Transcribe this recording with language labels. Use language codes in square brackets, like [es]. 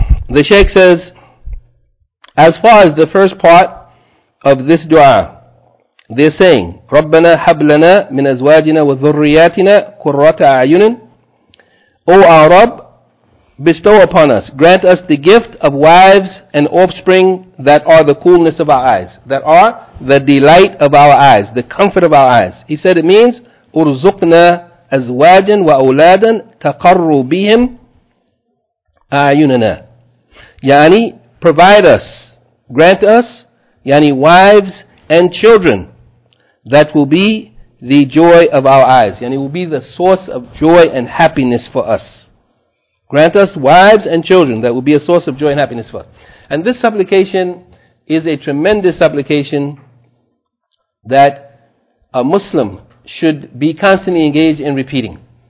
[en] The Shaykh says, as far as the first part of this dua, they're saying, [ar] رَبَّنَا هَبْ لَنَا مِنْ أَزْوَاجِنَا وَذُرِّيَاتِنَا قُرَّةَ أَعْيُنٍ. [en] O our Rabb, bestow upon us, grant us the gift of wives and offspring that are the coolness of our eyes, that are the delight of our eyes, the comfort of our eyes. He said it means, [ar] اُرْزُقْنَا أَزْوَاجًا وَأَوْلَادًا تَقَرُّ بِهِمْ أَعْيُنَنَا. [en] Yani, provide us, grant us, yani wives and children that will be the joy of our eyes. Yani will be the source of joy and happiness for us. Grant us wives and children that will be a source of joy and happiness for us. And this supplication is a tremendous supplication that a Muslim should be constantly engaged in repeating.